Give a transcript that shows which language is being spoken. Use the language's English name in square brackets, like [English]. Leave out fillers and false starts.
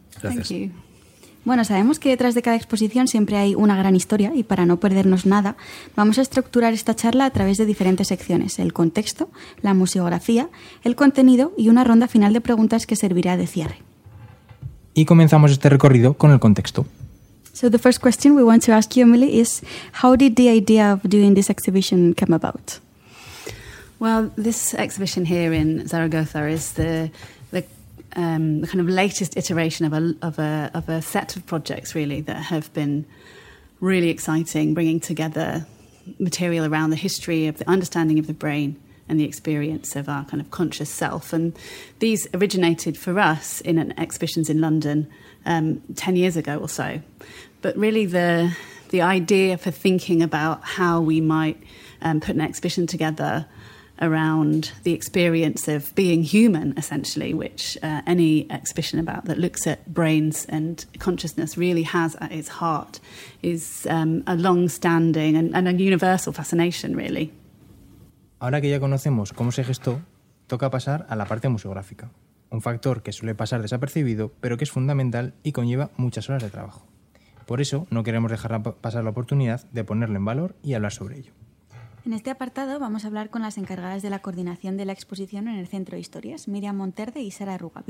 [Spanish] Gracias. Bueno, sabemos que detrás de cada exposición siempre hay una gran historia y para no perdernos nada, vamos a estructurar esta charla a través de diferentes secciones: el contexto, la museografía, el contenido y una ronda final de preguntas que servirá de cierre. Y comenzamos este recorrido con el contexto. [English] So the first question we want to ask you, Emily, is how did the idea of doing this exhibition come about? Well, this exhibition here in Zaragoza is the kind of latest iteration of a set of projects, really, that have been really exciting, bringing together material around the history of the understanding of the brain and the experience of our kind of conscious self. And these originated for us in exhibitions in London 10 years ago or so. But really the idea for thinking about how we might put an exhibition together around the experience of being human, essentially, which any exhibition about that looks at brains and consciousness really has at its heart, is a long-standing and a universal fascination, really. [Spanish] Ahora que ya conocemos cómo se gestó, toca pasar a la parte museográfica, un factor que suele pasar desapercibido, pero que es fundamental y conlleva muchas horas de trabajo. Por eso, no queremos dejar pasar la oportunidad de ponerlo en valor y hablar sobre ello. En este apartado vamos a hablar con las encargadas de la coordinación de la exposición en el Centro de Historias, Miriam Monterde y Sara Arruga.